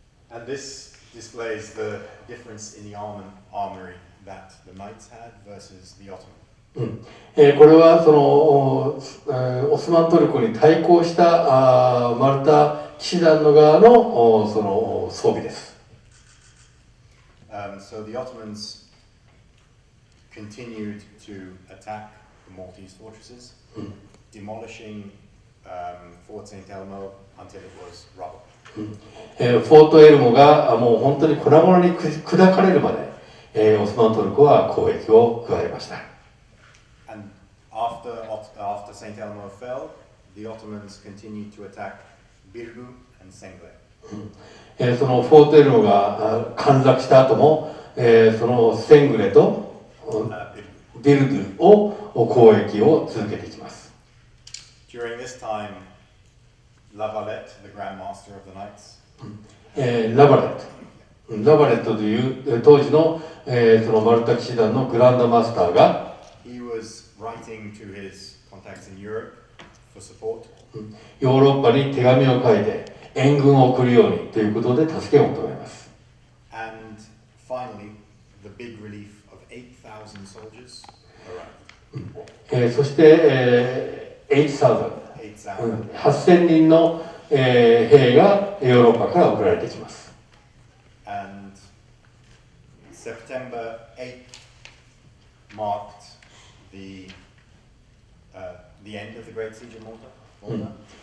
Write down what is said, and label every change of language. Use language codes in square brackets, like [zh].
[en] And this displays the difference in the armory that the knights had versus the Ottoman. [ja] これはそのオスマントルコに対抗したマルタ騎士団の側のその装備です。 [en] So the Ottomans continued to attack the Maltese fortresses, demolishing Fort St. Elmo until it was rubble. [ja] フォートエルモがもう本当に粉々に砕かれるまで、オスマントルコは攻撃を加えました。 [en] After St. Elmo fell, the Ottomans continued to attack Birgu and Sengle. [ja] そのフォートエルモが陥落した後も、そのセングレとビルグを攻撃を続けていきます。 [en] During this time, La Valette, the Grand Master of the Knights, [ja] ラバレットという当時の、そのマルタ騎士団のグランドマスターが、 [en] He was writing to his contacts in Europe for support. [ja] ヨーロッパに手紙を書いて援軍を送るようにということで助けを求めます。 [en] And finally, the big relief of 8,000 soldiers arrived. [ja] そして、8,000 人の、兵がヨーロッパから送られてきます。 [en] And September 8th marked the end of the Great Siege of Malta.